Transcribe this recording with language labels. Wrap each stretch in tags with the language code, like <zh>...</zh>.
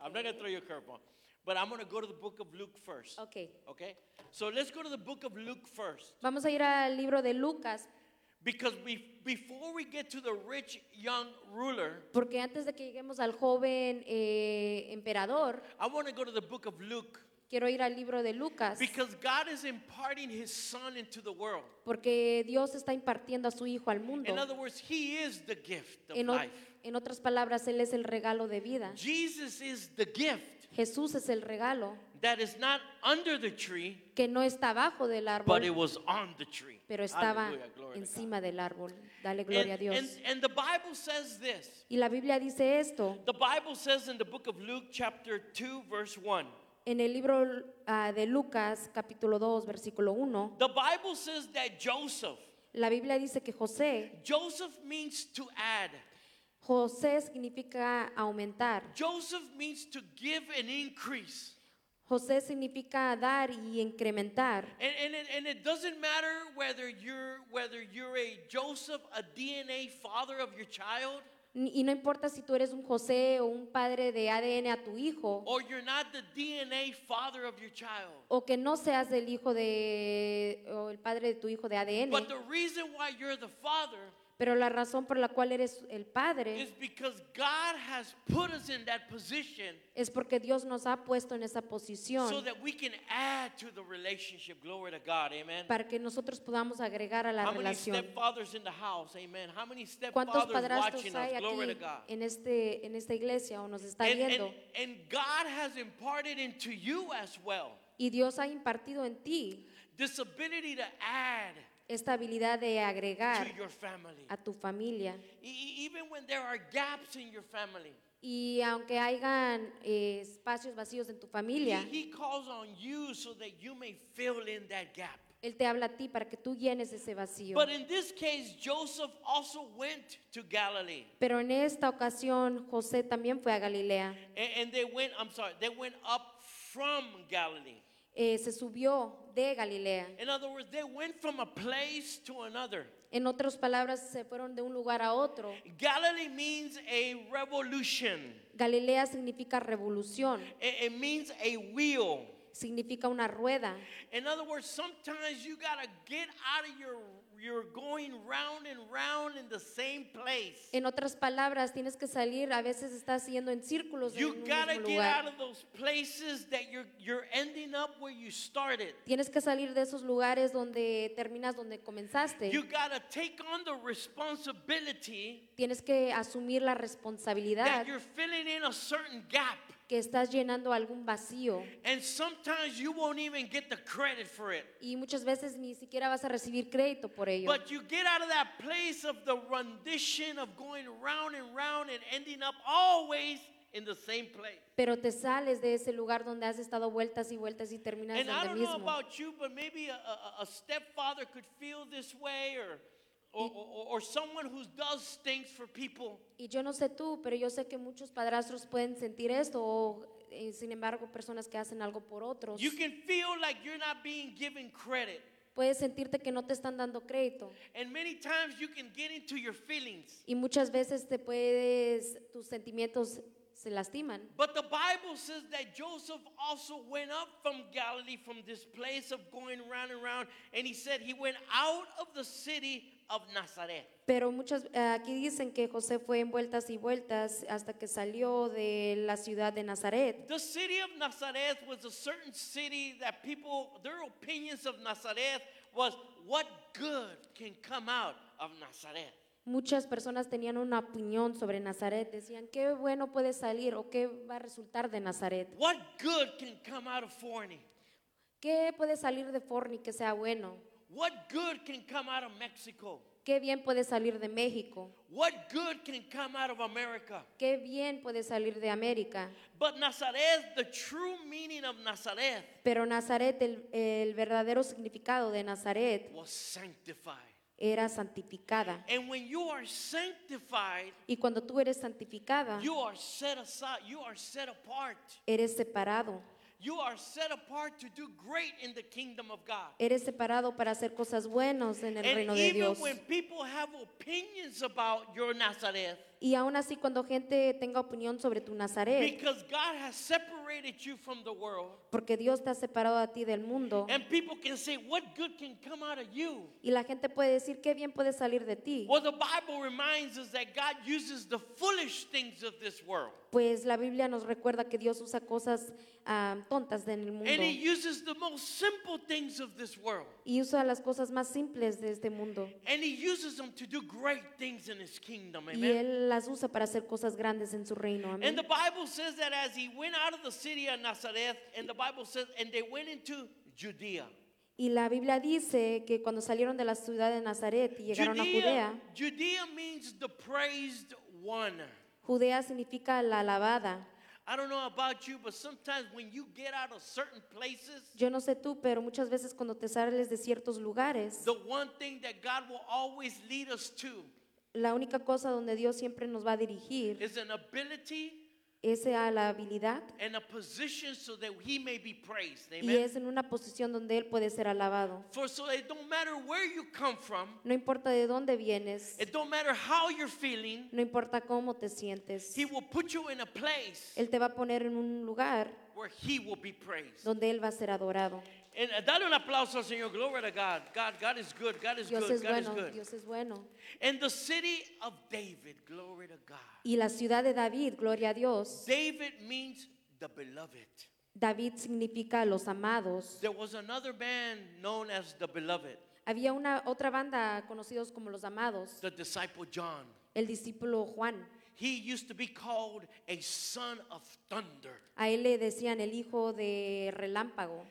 <en>I'm not going to throw you a curveball. But I'm going to go to the book of Luke first. Okay. Okay? So let's go to the book of Luke first.</en> <es>Vamos a ir al libro de Lucas.</es> <en>Because before we get to the rich young ruler,</en> <es>porque antes de que lleguemos al joven emperador,</es> <en>I want to go to the book of Luke.</en> <es>Quiero ir al libro de Lucas.</es> <en>Because God is imparting his son into the world.</en> <es>Porque Dios está impartiendo a su hijo al mundo.</es> <en>In other words, he is the gift of life.</en> <es>En otras palabras, él es el regalo de vida.</es> <en>Jesus is the gift.</en> <es>Jesús es el regalo.</es> <en>That is not under the tree.</en> <es>Que no está bajo del árbol.</es> <en>But it was on the tree.</en> <es>Pero estaba encima del árbol. Dale gloria a Dios.</es> <en>And the Bible says this.</en> <es>Y la Biblia dice esto.</es> <en>The Bible says in the book of Luke chapter 2 verse 1.</en> <es>En el libro de Lucas, capítulo 2, versículo 1.</es> <en>The Bible says that Joseph.</en> <es>La Biblia dice que José.</es> <en>Joseph means to add.</en> <es>José significa aumentar.</es> <en>Joseph means to give an increase.</en> <es>José significa dar y incrementar.</es> <en>And it doesn't matter whether you're a Joseph, a DNA father of your child.</en> <es>Y no importa si tú eres un José o un padre de ADN a tu hijo,</es> <en>or you're not the DNA father of your child,</en> <es>o que no seas el hijo de o el padre de tu hijo de ADN,</es> <en>but the reason why you're the father,</en> <es>pero la razón por la cual eres el padre,</es> <en>is because God has put us in that position,</en> <es>es porque Dios nos ha puesto en esa posición,</es> <en>so that we can add to the relationship. Glory to God, amen.</en> <es>Para que nosotros podamos agregar a la relación.</es> <en>How many stepfathers in the house, amen? How many stepfathers watching us? Glory to God.</en> <es>En esta iglesia o nos está viendo.</es> <en>And God has imparted into you as well.</en> <es>Y Dios ha impartido en ti.</es> <en>This ability to add.</en> <es>Esta habilidad de agregar</es> <en>to your family.</en> <es>A tu familia.</es> <en>Even when there are gaps in your family.</en> <es>Y aunque hayan espacios vacíos en tu familia.</es> <en>He calls on you so that you may fill in that gap.</en> <es>Él te habla a ti para que tú llenes ese vacío.</es> <en>But in this case, Joseph also went to Galilee.</en> <es>Pero en esta ocasión, José también fue a Galilea.</es> <en>They went up from Galilee.</en> <es>Se subió de Galilea.</es> <en>In other words, they went from a place to another.</en> <es>En otras palabras, se fueron de un lugar a otro.</es> <en>Galilee means a revolution.</en> <es>Galilea significa revolución.</es> <en>It means a wheel.</en> <es>Significa una rueda.</es> <en>In other words, sometimes you gotta get out of you're going round and round in the same place.</en> <es>En otras palabras, tienes que salir, a veces estás yendo en círculos en un mismo lugar.</es> <en>You gotta get out of those places that you're ending up where you started.</en> <es>Tienes que salir de esos lugares donde terminas donde comenzaste.</es> <en>You gotta take on the responsibility.</en> <es>Tienes que asumir la responsabilidad.</es> <en>That you're filling in a certain gap.</en> <es>Que estás llenando algún vacío.</es> <en>And sometimes you won't even get the credit for it.</en> <es>Y muchas veces ni siquiera vas a recibir crédito por ello.</es> <en>But you get out of that place of the rendition of going round and round and ending up always in the same place.</en> <es>Pero te sales de ese lugar donde has estado vueltas y vueltas y terminas en el mismo.</es> <en>And I don't know about you, but maybe a stepfather could feel this way or someone who does things for people.</en> <es>Y yo no sé tú, pero yo sé que muchos padrastros pueden sentir esto o sin embargo personas que hacen algo por otros.</es> <en>You can feel like you're not being given credit.</en> <es>Puedes sentirte que no te están dando crédito.</es> <en>And many times you can get into your feelings.</en> <es>Y muchas veces te puedes tus sentimientos se lastiman.</es> <en>But the Bible says that Joseph also went up from Galilee from this place of going round and round, and he said he went out of the city of Nazareth.</en> <es>Pero muchas aquí dicen que José fue en vueltas y vueltas hasta que salió de la ciudad de Nazaret.</es> <en>The city of Nazareth was a certain city that people, their opinions of Nazareth was what good can come out of Nazareth.</en> <es>Muchas personas tenían una opinión sobre Nazaret, decían qué bueno puede salir o qué va a resultar de Nazaret.</es> <en>What good can come out of Forney?</en> <es>¿Qué puede salir de Forney que sea bueno?</es> <en>What good can come out of Mexico?</en> <es>¿Qué bien puede salir de México?</es> <en>What good can come out of America?</en> <es>¿Qué bien puede salir de América?</es> <en>But Nazareth, the true meaning of Nazareth.</en> <es>Pero Nazaret, el verdadero significado de Nazaret.</es> <en>Was sanctified.</en> <es>Era santificada.</es> <en>And when you are sanctified.</en> <es>Y cuando tú eres santificada.</es> <en>You are set aside. You are set apart.</en> <es>Eres separado.</es> <en>You are set apart to do great in the kingdom of God.</en> <es>Eres separado para hacer cosas buenas en el reino de Dios.</es> <en>And even when people have opinions about your Nazareth.</en> <es>Y aún así cuando gente tenga opinión sobre tu Nazaret.</es> <en>Because God has separated you from the world.</en> <es>Porque Dios te ha separado a ti del mundo.</es> <en>And people can say, what good can come out of you?</en> <es>Y la gente puede decir, qué bien puede salir de ti.</es> <en>Well, the Bible reminds us that God uses the foolish things of this world.</en> <es>Pues la Biblia nos recuerda que Dios usa cosas tontas en el mundo.</es> <en>And he uses the most simple things of this world.</en> <es>Y usa las cosas más simples de este mundo.</es> <en>And he uses them to do great things in his kingdom. Amen.</en> <es>Y él las usa para hacer cosas grandes en su reino.</es> <en>Amen. And the Bible says that as he went out of the city of Nazareth, and the Bible says, and they went into Judea.</en> <es>Y la Biblia dice que cuando salieron de la ciudad de Nazaret y llegaron Judea, a Judea.</es> <en>Judea means the praised one.</en> <es>Judea significa la alabada.</es> <en>I don't know about you, but sometimes when you get out of certain places,</en> <es>yo no sé tú, pero muchas veces cuando te sales de ciertos lugares,</es> <en>the one thing that God will always lead us to,</en> <es>la única cosa donde Dios siempre nos va a dirigir,</es> <en>is an ability,</en> <es>es a la habilidad,</es> <en>and a position so that he may be praised. Amen.</en> <es>Y es en una posición donde él puede ser alabado.</es> <en>For so it don't matter where you come from.</en> <es>No importa de dónde vienes.</es> <en>It don't matter how you're feeling.</en> <es>No importa cómo te sientes.</es> <en>He will put you in a place.</en> <es>Él te va a poner en un lugar</es> <en>where he will be praised.</en> <es>Donde él va a ser adorado.</es> <en>And</en> <es>dale un aplauso al Señor.</es> <en>Glory to God. God is good. God is</en> <es>Dios</es> <en>good.</en> <es>Es</es> <en>God</en> <es>bueno.</es> <en>Is good.</en> <es>Dios es bueno.</es> <en>And the city of David. Glory to God.</en> <es>Y la ciudad de David. Gloria a Dios.</es> <en>David means the beloved.</en> <es>David significa los amados.</es> <en>There was another band known as the beloved.</en> <es>Había una otra banda conocidos como los amados.</es> <en>The disciple John.</en> <es>El discípulo Juan.</es> <en>He used to be called a son of thunder.</en> <es>A él le decían el hijo de relámpago.</es>